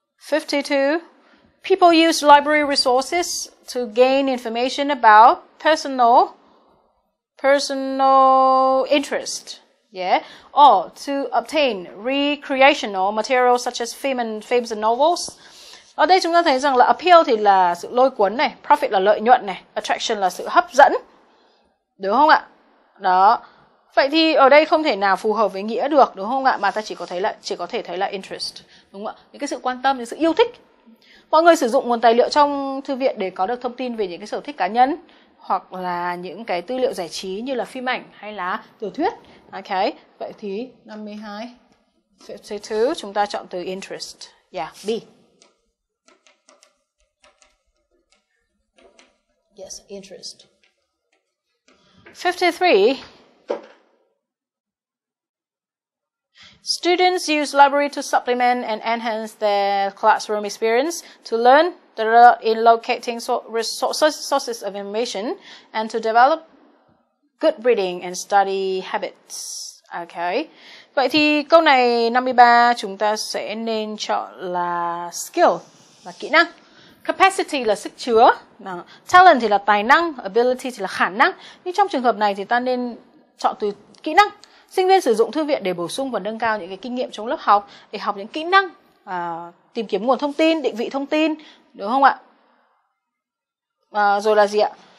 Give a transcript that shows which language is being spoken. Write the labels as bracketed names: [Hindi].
[English] 52 people use library resources to gain information about personal interest, yeah, or to obtain recreational materials such as films and novels. [Vietnamese] Ở đây chúng ta thấy rằng là appeal thì là sự lôi cuốn này, profit là lợi nhuận này, attraction là sự hấp dẫn, đúng không ạ? Đó. Vậy thì ở đây không thể nào phù hợp với nghĩa được, đúng không ạ? Mà ta chỉ có thể thấy là interest, đúng không ạ? Những cái sự quan tâm, những sự yêu thích. Mọi người sử dụng nguồn tài liệu trong thư viện để có được thông tin về những cái sở thích cá nhân hoặc là những cái tư liệu giải trí như là phim ảnh hay là tiểu thuyết. Ok, vậy thì 52, 52 chúng ta chọn từ interest. [English] Yeah, B. Yes, interest. 53. Students use library to supplement and enhance their classroom experience, to learn in locating sources of information, and to develop good reading and study habits. Okay. [Vietnamese] Vậy thì câu này 53 chúng ta sẽ nên chọn là skill, là kỹ năng. Capacity là sức chứa, talent thì là tài năng, ability thì là khả năng. Nhưng trong trường hợp này thì ta nên chọn từ kỹ năng. Sinh viên sử dụng thư viện để bổ sung và nâng cao những cái kinh nghiệm trong lớp học, để học những kỹ năng, tìm kiếm nguồn thông tin, định vị thông tin, đúng không ạ? Rồi là gì ạ?